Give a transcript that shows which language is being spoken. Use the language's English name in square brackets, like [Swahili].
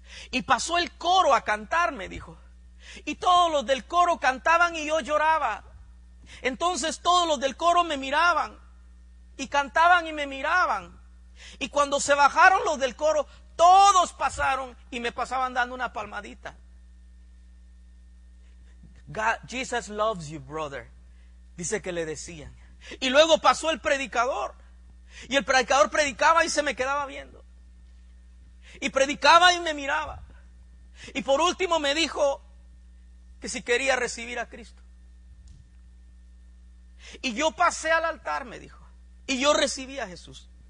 [Spanish] Y pasó el coro a cantar, me dijo. Y todos los del coro cantaban y yo lloraba. Entonces todos los del coro me miraban y cantaban y me miraban. Y cuando se bajaron los del coro, todos pasaron y me pasaban dando una palmadita. [English] God, Jesus loves you, brother. [Spanish] Dice que le decían. Y luego pasó el predicador. Y el predicador predicaba y se me quedaba viendo. Y predicaba y me miraba. Y por último me dijo que si quería recibir a Cristo. Y yo pasé al altar, me dijo. Y yo recibí a Jesús.